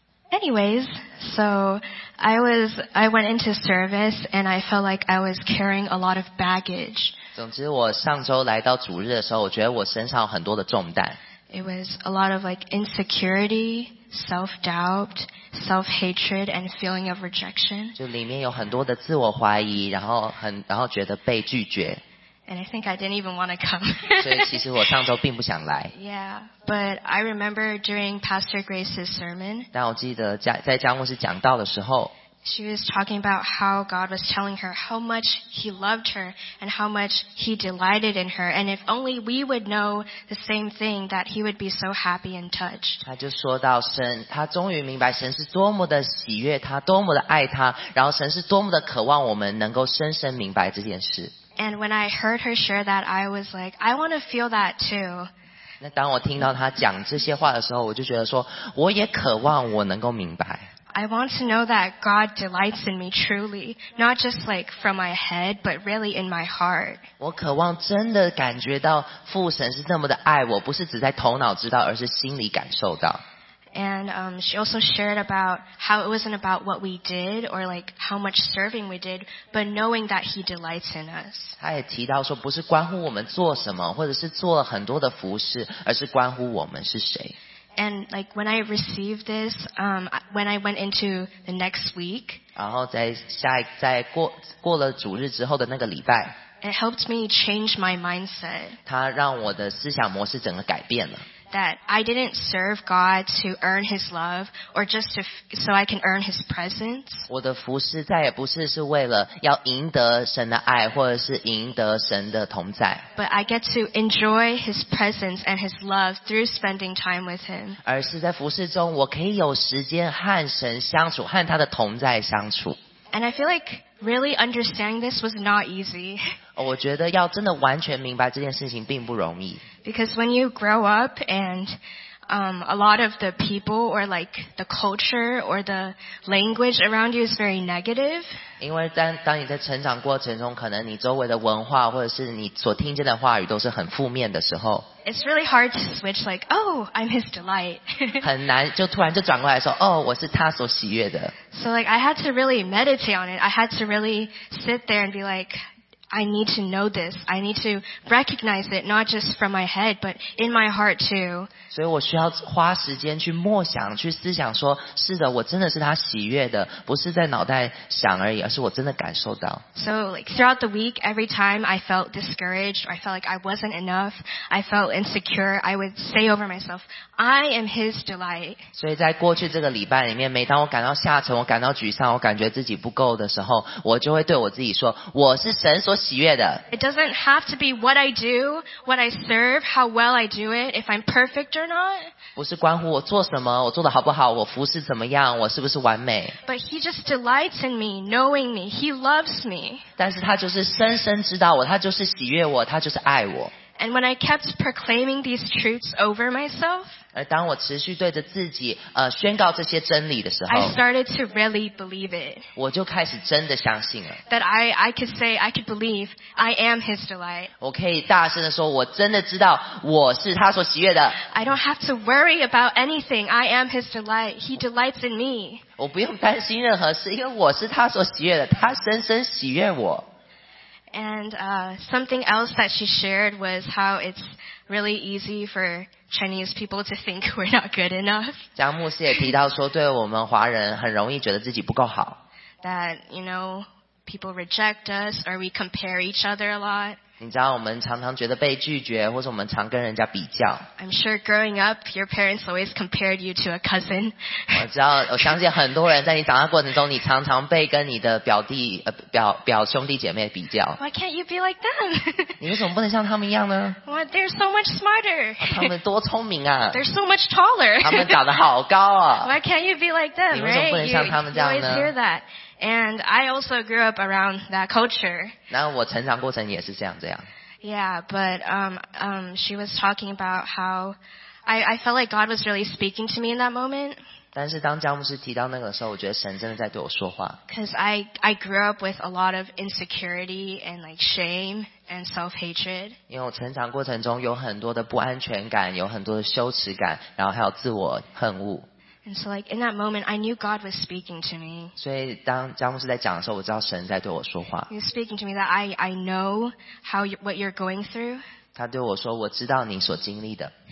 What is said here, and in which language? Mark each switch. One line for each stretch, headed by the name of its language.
English: Anyways, so I went into service and I felt like I was carrying a lot of baggage.
Chinese: 总之，我上周来到主日的时候，我觉得我身上有很多的重担。
English: It was a lot of like insecurity, self-doubt, self-hatred, and feeling of rejection.
Chinese: 就里面有很多的自我怀疑，然后觉得被拒绝。
English: And I think I didn't even want to come.
Chinese: 所以其实我上周并不想来。
English: Yeah, but I remember during Pastor Grace's sermon.
Chinese: 但我记得在佳牧师讲道的时候。
English: She was talking about how God was telling her how much He loved her and how much He delighted in her. And if only we would know the same thing, that He would be so happy and touched.
Chinese: 他就说到神，他终于明白神是多么的喜悦他，多么的爱他，然后神是多么的渴望我们能够深深明白这件事。
English: And when I heard her share that, I was like, I want to feel that too.
Chinese: 那当我听到他讲这些话的时候，我就觉得说，我也渴望我能够明白。
English: I want to know that God delights in me truly, not just like from my head, but really in my heart.
Chinese: 我渴望真的感觉到父神是那么的爱我，不是只在头脑知道，而是心里感受到。
English: And she also shared about how it wasn't about what we did or like how much serving we did, but knowing that He delights in us.
Chinese: 她也提到说，不是关乎我们做什么，或者是做了很多的服事，而是关乎我们是谁。
English: And like when I received this, when I went into the next week,
Chinese: 然后在过了主日之后的那个礼拜，
English: it helped me change my mindset.
Chinese: 它让我的思想模式整个改变了。
English: That I didn't serve God to earn His love or just to so I can earn His presence.
Chinese: 我的服事再也不是是为了要赢得神的爱，或者是赢得神的同在。
English: But I get to enjoy His presence and His love through spending time with Him.
Chinese: 而是在服事中，我可以有时间和神相处，和他的同在相处。
English: And I feel like really understanding this was not easy.
Chinese: 我觉得要真的完全明白这件事情并不容易。
English: Because when you grow up and a lot of the people or like the culture or the language around you is very negative.
Chinese: 因为当你在成长过程中，可能你周围的文化或者是你所听见的话语都是很负面的时候。
English: It's really hard to switch like, oh, I'm his delight.
Chinese: 很难就突然就转过来说，哦，我是他所喜悦的。
English: So like I had to really meditate on it. I had to really sit there and be like. I need to know this. I need to recognize it, not just from my head, but in my heart too.
Chinese: 所以我需要花时间去默想，去思想说，是的，我真的是他喜悦的，不是在脑袋想而已，而是我真的感受到。
English: So, like, throughout the week, every time I felt discouraged, or I felt like I wasn't enough, I felt insecure, I would say over myself, I am his delight.
Chinese: 所以在过去这个礼拜里面，每当我感到下沉，我感到沮丧，我感觉自己不够的时候，我就会对我自己说，我是神所
English: It doesn't have to be what I do, what I serve, how well I do it, if I'm perfect or not.
Chinese: 不是关乎我做什么，我做得好不好，我服侍怎么样，我是不是完美。
English: But he just delights in me, knowing me. He loves me.
Chinese: 但是他就是深深知道我，他就是喜悦我，他就是爱我。
English: And when I kept proclaiming these truths over myself,
Chinese: 而当我持续对着自己宣告这些真理的时候
English: ，I started to really believe it.
Chinese: 我就开始真的相信了。
English: That I could say I could believe I am His delight.
Chinese: 我可以大声的说，我真的知道我是他所喜悦的。
English: I don't have to worry about anything. I am His delight. He delights in me.
Chinese: 我不用担心任何事，因为我是他所喜悦的，他深深喜悦我。
English: And something else that she shared was how it's really easy for Chinese people to think we're not good enough.
Chinese: 江牧师也提到说，对我们华人很容易觉得自己不够好。
English: That you know, people reject us or we compare each other a lot.
Chinese: 你知道我们常常觉得被拒绝，或者我们常跟人家比较。
English: I'm sure growing up, your parents always compared you to a cousin.
Chinese: 我相信很多人在你长大过程中，你常常被跟你的表兄弟姐妹比较。
English: Why can't you be like them?
Chinese: 你为什么不能像他们一样呢？
English: What? They're so much smarter.
Chinese: 他们多聪明啊！
English: They're so much taller.
Chinese: 他们长得好高啊！
English: Why can't you be like them?
Chinese: 你为什么不能像他们这样呢？
English: You always hear that. And I also grew up around that culture.
Chinese: 那我成长过程也是这样。
English: Yeah, but she was talking about how I felt like God was really speaking to me in that moment.
Chinese: 但是当江牧师提到那个时候，我觉得神真的在对我说话。
English: Because I grew up with a lot of insecurity and like shame and self-hatred.
Chinese: 因为我成长过程中有很多的不安全感，有很多的羞耻感，然后还有自我恨恶。
English: And so, like in that moment, I knew God was speaking to me.
Chinese: 所以当江牧师在讲的时候，我知道神在对我说话。
English: He's speaking to me that I know how what you're going through.
Chinese: 他对我说，我知道你所经历的。